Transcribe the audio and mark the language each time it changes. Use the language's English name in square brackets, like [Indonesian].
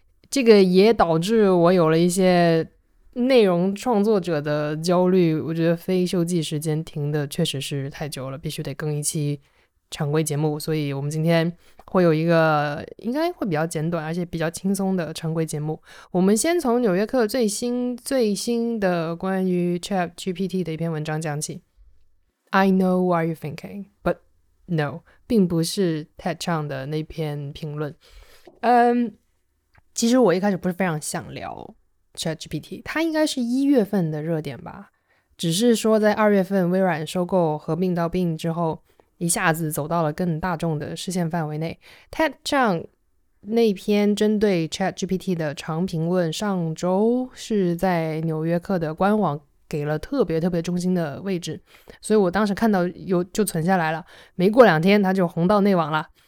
[Chinese] 这个也导致我有了一些内容创作者的焦虑，我觉得非休季时间停的确实是太久了，必须得更一期常规节目，所以我们今天会有一个应该会比较简短而且比较轻松的常规节目。我们先从纽约客最新的关于 ChatGPT 的一篇文章讲起。 [English] I know what you're thinking, but no， [Chinese] 并不是 Ted Chiang 的那篇评论。其实我一开始不是非常想聊 ChatGPT， 它应该是一月份的热点吧，只是说在二月份微软收购合并到并之后一下子走到了更大众的视线范围内。 Ted Chiang 那篇针对 ChatGPT 的长评论上周是在纽约客的官网给了特别特别中心的位置，所以我当时看到有就存下来了，没过两天它就红到内网了。